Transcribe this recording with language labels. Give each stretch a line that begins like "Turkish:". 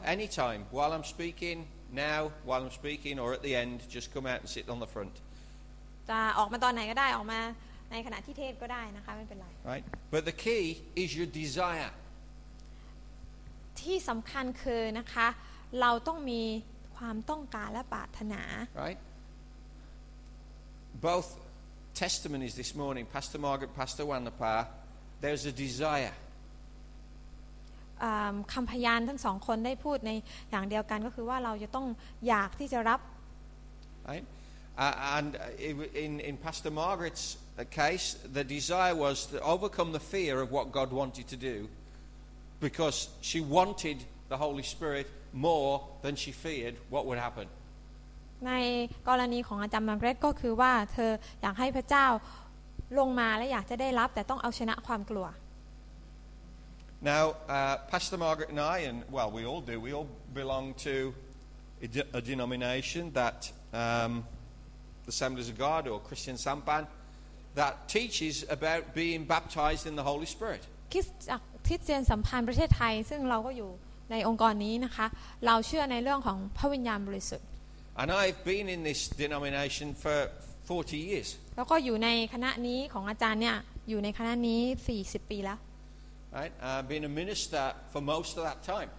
English: anytime while I'm speaking now while I'm speaking or at the end just come out and sit on the front
Thai: จะออกมาตอนไหนก็ได้ออกมาในขณะที่เทศก็ได้นะคะไม่เป็นไร
English: right but the key is your desire
Thai: ที่สำคัญคือนะคะ เราต้องมีความต้องการและปรารถนา
English: right both testimonies this morning Pastor Margaret Pastor Wanapa there's a desire
Thai: คำพยานทั้งสองคนได้พูดในอย่างเดียวกันก็คือว่าเราจะต้องอยากที่จะรับ
English: right and in Pastor Margaret'sThe case, the desire was to overcome the fear of what God wanted to do, because she wanted the Holy Spirit more than she feared what would happen.
Thai: ในกรณีของอาจารย์มังเกรดก็คือว่าเธออยากให้พระเจ้าลงมาและอยากจะได้รับแต่ต้องเอาชนะความกลัว
English: Now, Pastor Margaret and I, and well, we all do. We all belong to a denomination that the Assemblies of God or Christian Sampan. That teaches about being baptized in the Holy Spirit.
Thai: คริสเตียนสัมพันธ์ประเทศไทยซึ่งเราก็อยู่ในองค์กรนี้นะคะเราเชื่อในเรื่องของพระวิญญาณบริสุทธิ์
English: And I've been in this denomination for 40 years.
Thai: แล้วก็อยู่ในคณะนี้ของอาจารย์เนี่ยอยู่ในคณะนี้40ปีแล้ว
English: Right, I've been a minister for most of that time.